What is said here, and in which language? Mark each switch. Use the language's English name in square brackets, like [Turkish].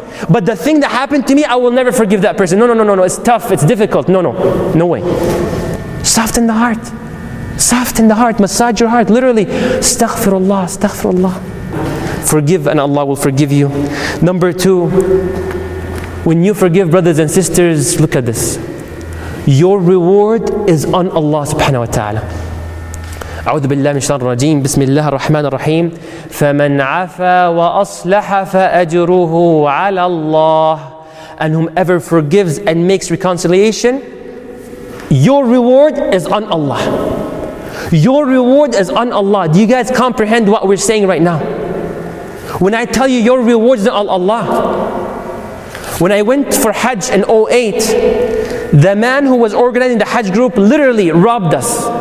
[English] But the thing that happened to me, I will never forgive that person. No, it's tough, it's difficult. No way. Soften the heart. Soften the heart, massage your heart, literally. Astaghfirullah. Forgive and Allah will forgive you. Number two, when you forgive, brothers and sisters, look at this. Your reward is on Allah subhanahu wa ta'ala. [Arabic] أعوذ بالله من الشيطان الرجيم بسم الله الرحمن الرحيم فمن عفا وأصلح فأجره على الله. [English] And whomever forgives and makes reconciliation, your reward is on Allah. Your reward is on Allah. Do you guys comprehend what we're saying right now? When I tell you your reward is on Allah. When I went for Hajj in 08, the man who was organizing the Hajj group literally robbed us.